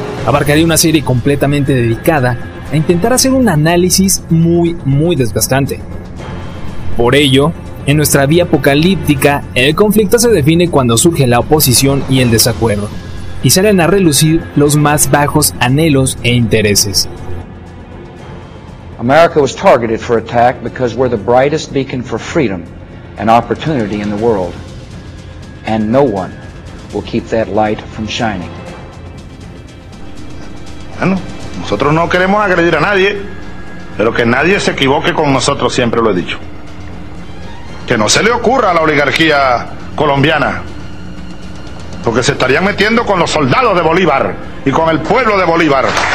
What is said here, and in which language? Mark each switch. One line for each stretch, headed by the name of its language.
Spanish: Abarcaría una serie completamente dedicada a intentar hacer un análisis muy, muy desgastante. Por ello, en nuestra vía apocalíptica, el conflicto se define cuando surge la oposición y el desacuerdo, y salen a relucir los más bajos anhelos e intereses.
English: America was targeted for attack because we're the brightest beacon for freedom and opportunity in the world, and no one will keep that light from shining.
Spanish: Bueno, nosotros no queremos agredir a nadie, pero que nadie se equivoque con nosotros, siempre lo he dicho. Que no se le ocurra a la oligarquía colombiana, porque se estarían metiendo con los soldados de Bolívar y con el pueblo de Bolívar.